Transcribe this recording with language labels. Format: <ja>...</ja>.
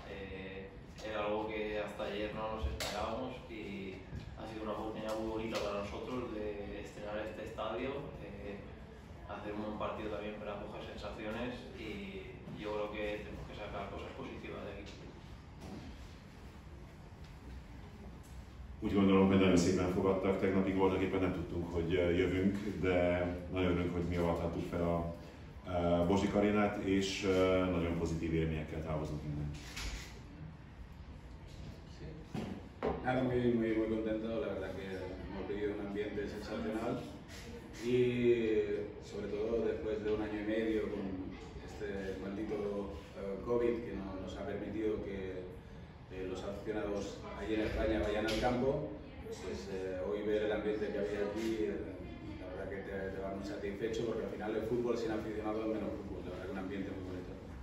<es>Era algo que hasta ayer no nos esperábamos y ha sido una oportunidad muy bonita para nosotros de estrenar este estadio, hacer un partido también para coger sensaciones y yo creo que tenemos que sacar cosas positivas de aquí.</es> <hu>Úgy gondolom, hogy nagyon szépen fogadtak tegnapi voltak, éppen nem tudtunk, hogy jövünk, de nagyon örülünk, hogy mi avathattuk fel a Bozic Arénát, és nagyon pozitív élményekkel távozunk innen.</hu> <es>Nada, muy, muy, muy contento, la verdad que hemos vivido un ambiente sensacional y sobre todo después de un año y medio con este maldito COVID que nos ha permitido que los aficionados allí en España vayan al campo, pues hoy ver el ambiente que había aquí, la verdad que te va muy satisfecho porque al final el fútbol sin aficionados es menos fútbol, la verdad que un ambiente muy bonito.</es>